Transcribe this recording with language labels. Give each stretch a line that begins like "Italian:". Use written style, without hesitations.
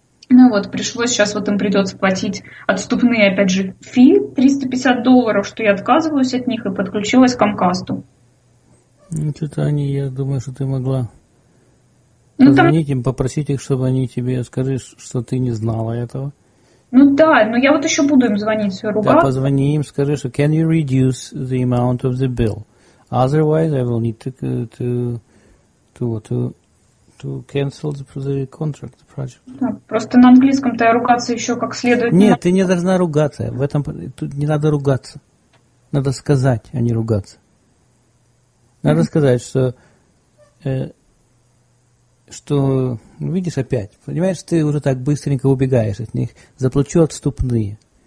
Russian: Ну вот, пришлось сейчас вот им придется платить отступные, опять же, фи, $350, что я отказываюсь от них и подключилась к Комкасту. Ну, что-то они, я думаю, что ты могла позвонить им, попросить их, чтобы они тебе сказали, что ты не знала этого. Ну да, но я вот еще буду им звонить, все ругаться. Да, позвони им, скажи, что
English: can you reduce the amount of the bill? Otherwise, I will need to cancel the contract, the project.
Russian: Да, просто на английском-то я ругаться еще как следует. Нет, ты не должна ругаться. В этом тут не надо ругаться. Надо сказать, а не ругаться. Надо сказать, что что, видишь, опять, понимаешь, ты уже так быстренько убегаешь от них, заплачу отступные.